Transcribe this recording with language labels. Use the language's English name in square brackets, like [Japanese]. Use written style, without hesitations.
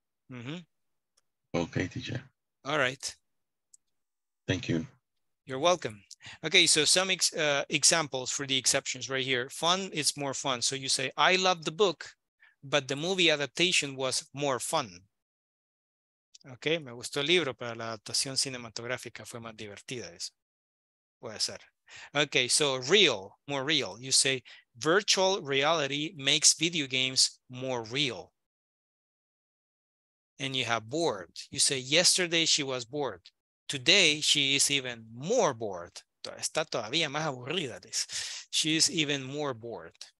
[English] Mm-hmm. Okay, teacher. All right. Thank you. You're welcome. Okay, so some examples for the exceptions right here. Fun is more fun. So you say, I love the book, but the movie adaptation was more fun. [Spanish] Okay, me gustó el libro, pero la adaptación cinematográfica fue más divertida. Eso. Puede ser. [English] Okay, so real, more real. You say, virtual reality makes video games more real. And you have bored. You say, yesterday she was bored. Today she is even more bored. [Spanish] Está todavía más aburrida. [English] She is even more bored.